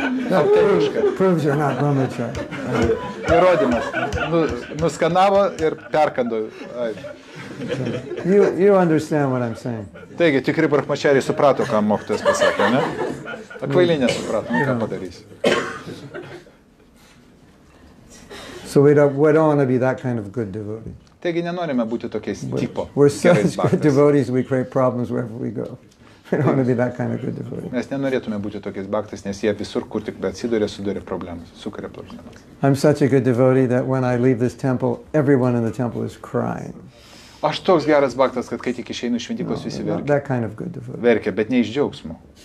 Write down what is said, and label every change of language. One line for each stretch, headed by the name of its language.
English: That proves you're not brahmachari.
Lithuanian: Įrodymas. Nuskanavo ir perkando.
English: You understand what I'm saying.
Lithuanian: Taigi, tikri brahmačiariai suprato, ką mokytojas pasakė, ne? Akvailiai nesuprato, ką padarysi.
English: So we don't want to be that kind of good devotee.
Lithuanian: Taigi, nenorime būti tokiais tipo.
English: We're such good devotees, we create problems wherever we go. We don't want to be that kind of good devotee.
Lithuanian: Mes nenorėtume būti tokiais baktais, nes jie visur, kur tik atsiduria, sudaria problemas, sukuria problemas.
English: I'm such a good devotee that when I leave this temple, everyone in the temple is crying.
Lithuanian: Aš toks geras baktas, kad kai tik išeinu iš šventyklos, visi verkia.
English: That kind of good devotee.
Lithuanian: Verkia, bet ne iš džiaugsmo.